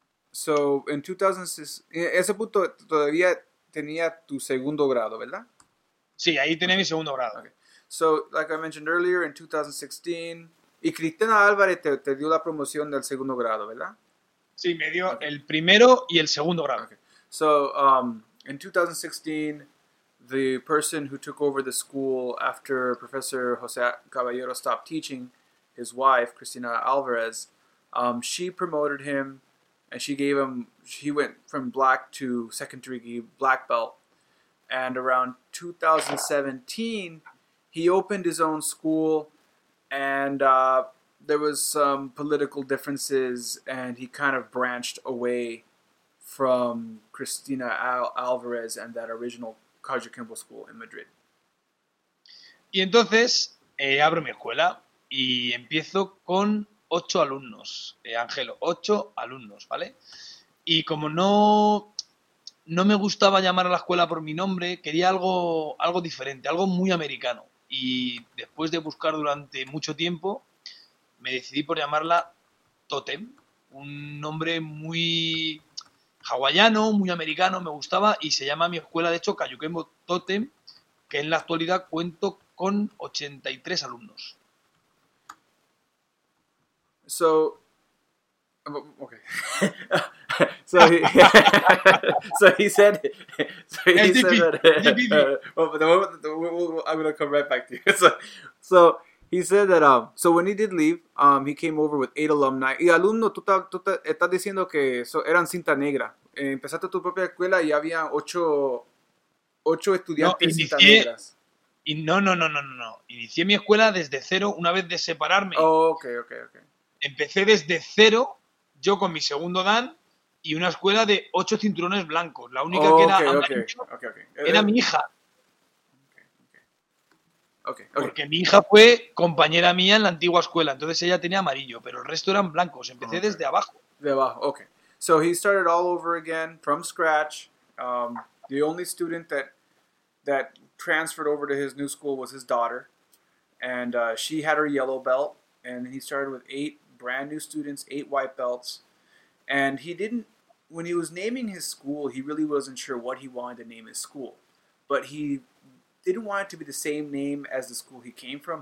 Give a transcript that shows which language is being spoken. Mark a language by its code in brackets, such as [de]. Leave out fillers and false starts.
[en] So in 2006, [es] ese punto todavía tenía tu segundo grado, ¿verdad? Sí, ahí tenía mi segundo grado. Okay. [en] So like I mentioned earlier, in 2016, [es] y Cristina Álvarez te dio la promoción del segundo grado, ¿verdad? Sí, me dio el primero y el segundo grado. [en] Okay. So in 2016, the person who took over the school after Professor José Caballero stopped teaching, his wife Cristina Álvarez, she promoted him. And she gave him, he went from black to second degree black belt. And around 2017, he opened his own school. And there was some political differences. And he kind of branched away from Cristina Álvarez and that original Kayukenbo school in Madrid. [es] Y entonces, abro mi escuela y empiezo con 8 alumnos, Ángelo, 8 alumnos, ¿vale? Y como no me gustaba llamar a la escuela por mi nombre, quería algo diferente, algo muy americano. Y después de buscar durante mucho tiempo, me decidí por llamarla Totem, un nombre muy hawaiano, muy americano, me gustaba, y se llama mi escuela, de hecho, Kayukenbo Totem, que en la actualidad cuento con 83 alumnos. [en] So, okay. I'm gonna come right back to you. So he said that so when he did leave, he came over with 8 alumni. [es] Y alumno, tú estás diciendo que eso eran cinta negra. Empezaste tu propia escuela y había 8 estudiantes cinta negras. Y no. Inicié mi escuela desde cero una vez de separarme. [en] Oh, okay. [es] Empecé desde cero, yo con mi segundo Dan, y una escuela de 8 cinturones blancos. La única que era amarillo era mi hija. [en] Okay. [es] Porque mi hija fue compañera mía en la antigua escuela, entonces ella tenía amarillo, pero el resto eran blancos. Empecé desde abajo. De abajo, [en] okay. So he started all over again, from scratch. The only student that transferred over to his new school was his daughter. And she had her yellow belt, and he started with 8 brand new students, 8 white belts, and he didn't, when he was naming his school, he really wasn't sure what he wanted to name his school, but he didn't want it to be the same name as the school he came from.